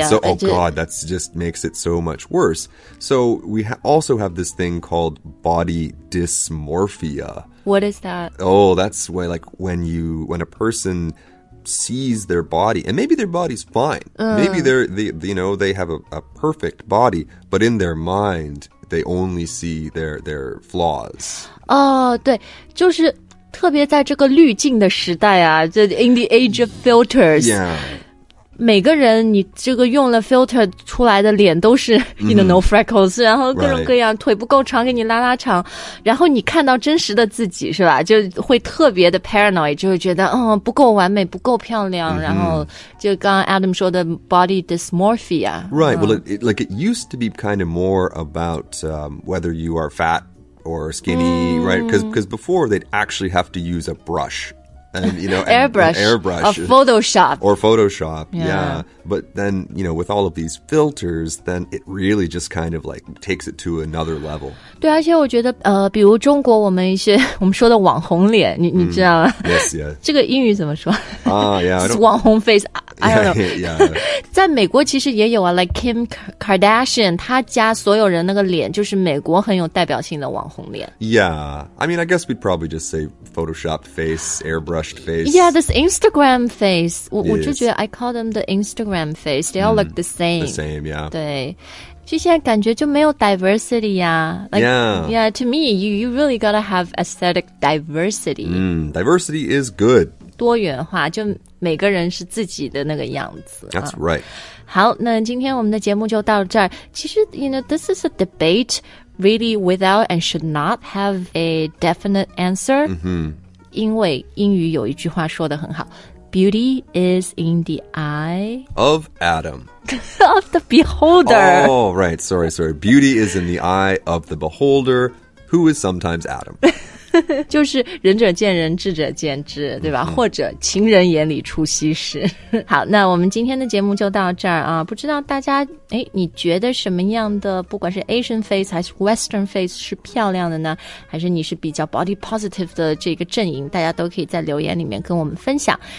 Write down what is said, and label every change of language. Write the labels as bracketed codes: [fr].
[en] And so, oh God, that just makes it so much worse. So we also have this thing called body dysmorphia. What is that? Oh, that's why, like, when a person sees their body, and maybe their body's fine.、Maybe they have a perfect body, but in their mind, they only see their flaws. [zh] Oh, 对，就是特别在这个滤镜的时代啊，这 [en] in the age of filters、 yeah. [zh] 每个人你这个用了 filter 出来的脸都是、 [en] no freckles [zh] 然后各种各样、 [en] right. [zh] 腿不够长给你拉拉长，然后你看到真实的自己是吧，就会特别的 paranoid， 就会觉得不够完美，不够漂亮、然后就刚刚 Adam 说的 body dysmorphia [en] right、well it used to be kind of more about、whether you are fatOr skinny,、right? Because before, they'd actually have to use a brush. And, you know, airbrush. Or Photoshop. Or Photoshop, yeah. But then, you know, with all of these filters, then it really just kind of, like, takes it to another level. [zh] 对，而且我觉得，比如中国我们说的网红脸，你知道吗？ [en] Yes, yes. [zh] 这个英语怎么说？ [en] yeah. It's网红 face. Yeah. [zh] 在美国其实也有啊 like Kim Kardashian 她家所有人那个脸就是美国很有代表性的网红脸 [en] Yeah, I mean I guess we'd probably just say photoshopped face, airbrushed face Yeah, this Instagram face [zh] 我就觉得 [en] I call them the Instagram face They all look the same The same, yeah [zh] 对就现在感觉就没有 diversity 呀、啊、 [en] like, yeah. yeah, to me you really gotta have aesthetic diversity、 Diversity is good [zh] 多元化就每个人是自己的那个样子 [en] That's right、 [zh] 好那今天我们的节目就到这儿其实 [en] you know, this is a debate really without and should not have a definite answer、 [zh] 因为英语有一句话说得很好 [en] Beauty is in the eye Of Adam Of the beholder Oh right, sorry Beauty is in the eye of the beholder Who is sometimes Adam [zh] 就是仁者见仁，智者见智，对吧？或者情人眼里出西施。好，那我们今天的节目就到这儿啊。不知道大家，哎，你觉得什么样的，不管是 Asian face 还是 Western face 是漂亮的呢？还是你是比较 body positive 的这个阵营？大家都可以在留言里面跟我们分享。